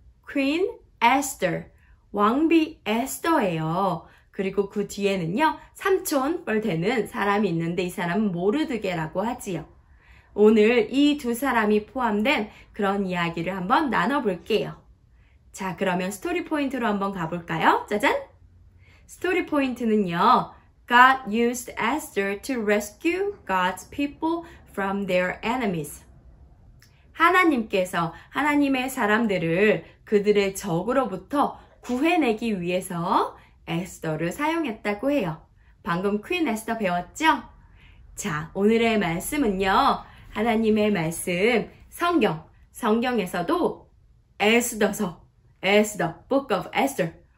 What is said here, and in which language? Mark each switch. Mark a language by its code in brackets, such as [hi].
[ko] Queen Esther, 왕비 에스더예요. 그리고 그 뒤에는요, 삼촌 뻘 되는 사람이 있는데 이 사람은 모르드개라고 하지요. 오늘 이 두 사람이 포함된 그런 이야기를 한번 나눠볼게요. 자, 그러면 스토리 포인트로 한번 가볼까요? 짜잔! 스토리 포인트는요, [en] God used Esther to rescue God's people from their enemies. [ko] 하나님께서 하나님의 사람들을 그들의 적으로부터 구해내기 위해서 에스더를 사용했다고 해요. 방금 퀸 에스더 배웠죠? 자, 오늘의 말씀은요, 하나님의 말씀, 성경, 성경에서도 에스더서, 에스더, Book of Esther.